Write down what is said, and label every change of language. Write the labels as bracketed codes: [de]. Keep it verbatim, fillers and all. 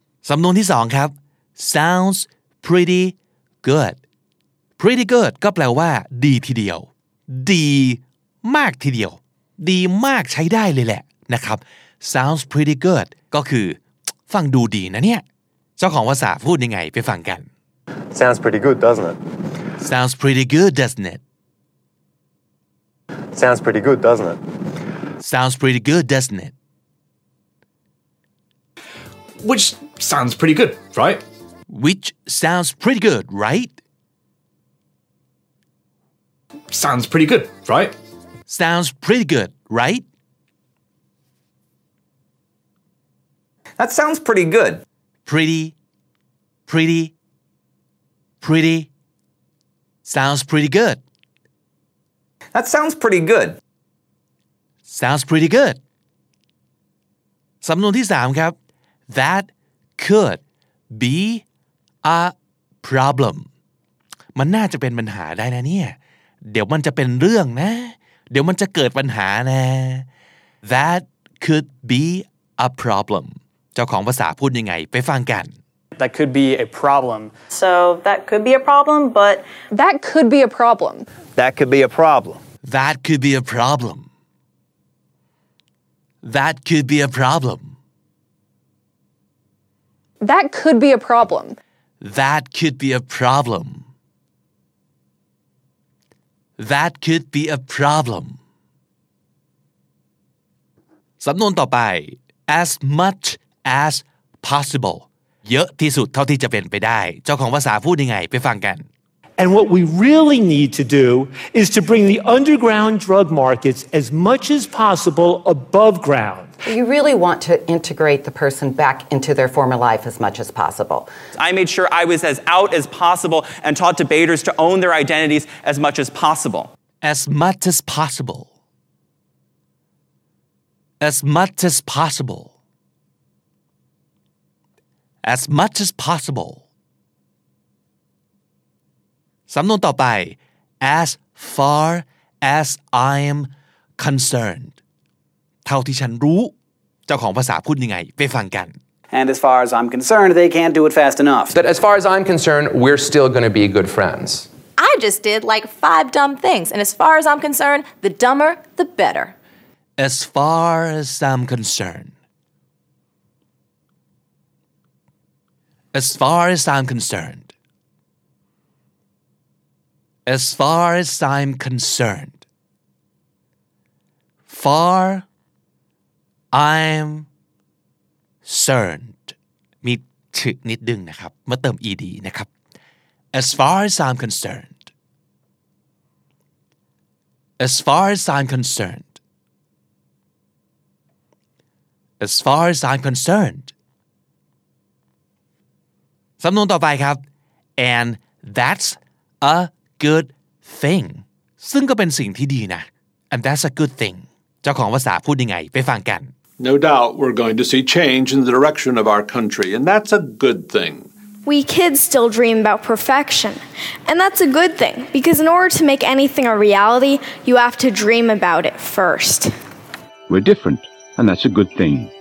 [th] สำนวนที่สองครับ [en] sounds pretty good. Pretty good [th] ก็แปลว่าดีทีเดียวดีมากทีเดียวดีมากใช้ได้เลยแหละนะครับ [en] sounds pretty good [th] ก็คือฟังดูดีนะเนี่ยเจ้าของภาษาพูดยังไงไปฟังกัน [en] Sounds pretty good, doesn't it? Sounds pretty good, doesn't it? Sounds pretty good, doesn't it? Sounds pretty good, doesn't it? Which sounds pretty good, right? Which sounds pretty good, right? Sounds pretty good, right? Sounds pretty good, right? That sounds pretty good. Pretty, pretty, pretty. Sounds pretty good. That sounds pretty good. Sounds pretty good. [th] สำนวนที่สามครับ [en] That could be a problem. [th] มันน่าจะเป็นปัญหาได้นะเนี่ยเดี๋ยวมันจะเป็นเรื่องนะเดี๋ยวมันจะเกิดปัญหานะ [en] That could be a problem [th] เจ้าของภาษาพูดยังไงไปฟังกัน [en] That could be a problem So that could be a problem but That could be a problem That could be a problem That could be a problem That could be a problem That could be a problem That could be a problem That could be a problem. [th] สำนวนต่อไป [en] as much as possible [th] เยอะที่สุดเท่าที่จะเป็นไปได้เจ้าของภาษาพูดยังไงไปฟังกัน [en] And what we really need to do is to bring the underground drug markets as much as possible above ground. You really want to integrate the person back into their former life as much as possible. I made sure I was as out as possible and taught debaters to own their identities as much as possible. As much as possible. As much as possible. As much as possible. [th] สำนวนต่อไป [en] as far as I am concerned [th] เท่าที่ฉันรู้เจ้าของภาษาพูดยังไงไปฟังกัน [en] And as far as I'm concerned they can't do it fast enough That as far as I'm concerned we're still going to be good friends I just did like five dumb things and as far as I'm concerned the dumber the better As far as I'm concerned As far as I'm concerned As far as I'm concerned. Far, I'm, concerned. [th] มีถึกนิดดึงนะครับเมื่อเติม ed นะครับ [en] As far as I'm concerned. As far as I'm concerned. As far as I'm concerned. [th] สำนวนต่อไปครับ [en] And that's a good thing [th] ซึ่งก็เป็นสิ่งที่ดีนะ [en] and that's a good thing [th] เจ้าของภาษาพูดยังไงไปฟังกัน [en] No doubt we're going to see change in the direction of our country and that's a good thing We kids still dream about perfection and that's a good thing because in order to make anything a reality you have to dream about it first We're different and that's a good thing